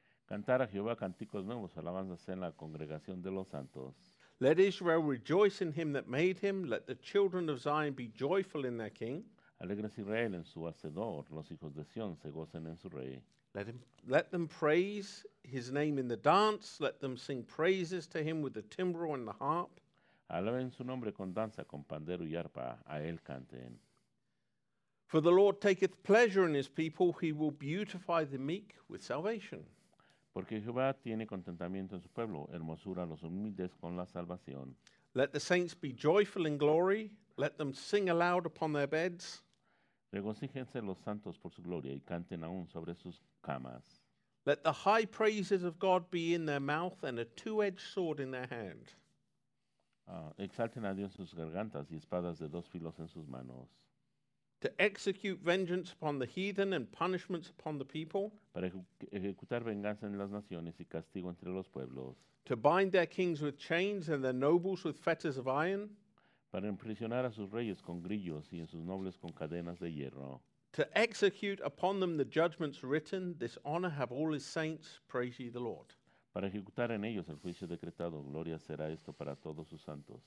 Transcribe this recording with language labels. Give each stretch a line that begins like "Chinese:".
Spanish: Cantar a Jehová canticos nuevos, alabanzas en la congregación de los santos.
English: Let Israel rejoice in him that made him. Let the children of Zion be joyful in their king.
Spanish: Alegres Israel en su hacedor. Los hijos de Sion se gocen en su rey.
English: Let them praise his name in the dance. Let them sing praises to him with the timbrel and the harp.
Spanish: Alaben su nombre con danza, con pandero y arpa. A él canten.
English: For the Lord taketh pleasure in his people. He will beautify the meek with salvation.
Spanish: Porque Jehová tiene contentamiento en su pueblo. Hermosura a los humildes con la salvación.
English: Let the saints be joyful in glory. Let them sing aloud upon their beds.
Spanish: Regocíjense los santos por su gloria y canten aún sobre sus camas.
English: Let the high praises of God be in their mouth and a two-edged sword in their hand.
Spanish: Exalten a Dios sus gargantas y espadas de dos filos en sus manos.
English: To execute vengeance upon the heathen and punishments upon the people.
Spanish: Para ejecutar venganza en las naciones y castigo entre los pueblos.
English: To bind their kings with chains and their nobles with fetters of iron.
Spanish: Para imprisionar a sus reyes con grillos y a sus nobles con cadenas de hierro.
English: To execute upon them the judgments written, this honor have all his saints, praise ye the Lord.
Spanish: Para ejecutar en ellos el juicio decretado, gloria será esto para todos sus santos.